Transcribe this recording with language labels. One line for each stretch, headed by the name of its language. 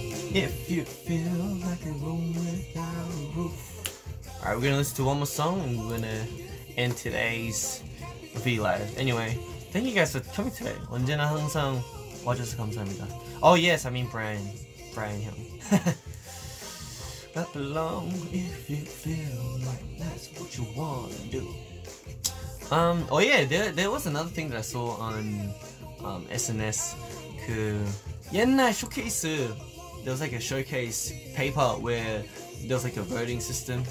English: If you feel like a room without a roof. Alright, we're gonna listen to one more song and we're gonna end today's Vlive. Anyway, thank you guys for coming today.
Korean: 언제나 항상 와줘서 감사합니다.
English: Oh yes, I mean Brian Hill. Clap along if you feel like that's what you wanna do. Oh yeah, there was another thing that I saw on SNS.
Korean: 그 옛날 쇼케이스.
English: There was like a showcase paper where there was like a voting system.